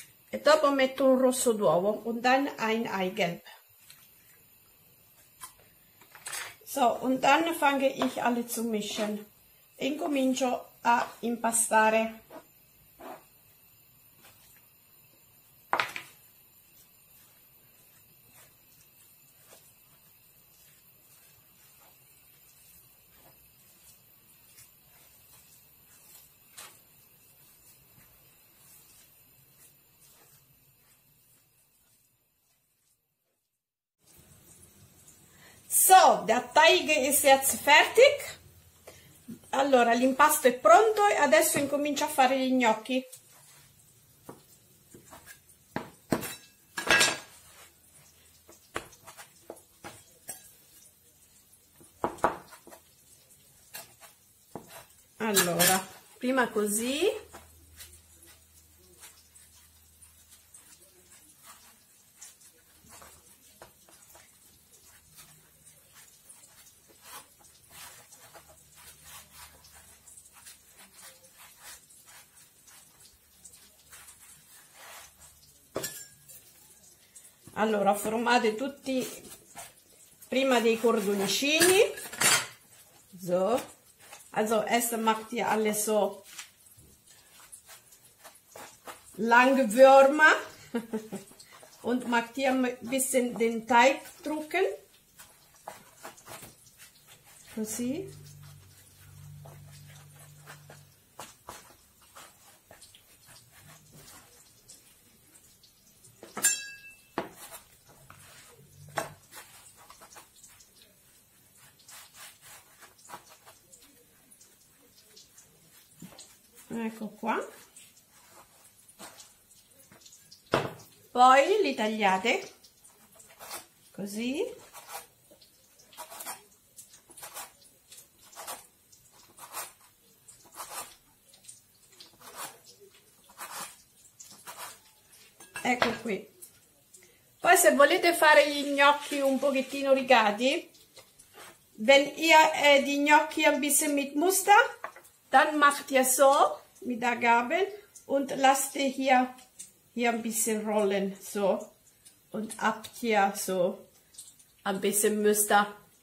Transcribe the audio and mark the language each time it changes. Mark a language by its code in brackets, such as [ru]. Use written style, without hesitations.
[it] E dopo metto un rosso d'uovo [de] und dann ein Eigelb. So, und dann fange ich alle zu mischen. [it] Incomincio a impastare. [de] So, der Teig ist jetzt fertig. [it] Allora, l'impasto è pronto e adesso incomincio a fare gli gnocchi. Allora, prima così. Allora, formate tutti prima dei cordoncini. [de] So. Also, es macht ihr alle so Langwürmer und macht ihr ein bisschen den Teig drücken. [it] Così. Ecco qua, poi li tagliate così, ecco qui. Poi se volete fare gli gnocchi un pochettino rigati, [de] wenn ihr die Gnocchi ein bisschen mit Muster, dann macht ihr so. Mit der Gabel und lasst ihr hier ein bisschen rollen, so, und ab hier so ein bisschen Muster.